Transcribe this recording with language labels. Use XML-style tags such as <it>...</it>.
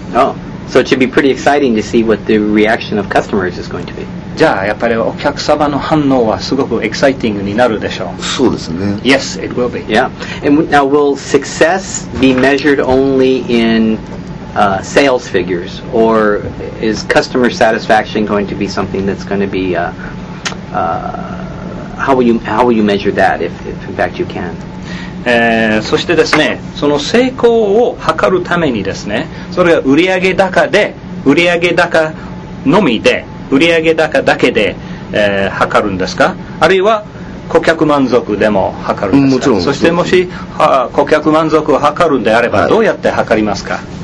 <en>Oh, so it should be pretty exciting to see what the reaction of customers is going to be.</en> <ja>じゃあやっぱりお客様の反応はすごくエキサイティングになるでしょう。そうですね。</ja> <en>Yes, it will be. Yeah. And now, will success be measured only in sales figures, or is customer satisfaction going to be something that's going to be how will you measure that if in fact you can?</en> <ja>そしてですね、その成功を図るためにですね、それが売上高で、売上高のみで、売上高だけで、測るんですか、あるいは顧客満足でも測るんですか。もちろん。そしてもし顧客満足を測るんであれば、はい、どうやって測りますか。</ja>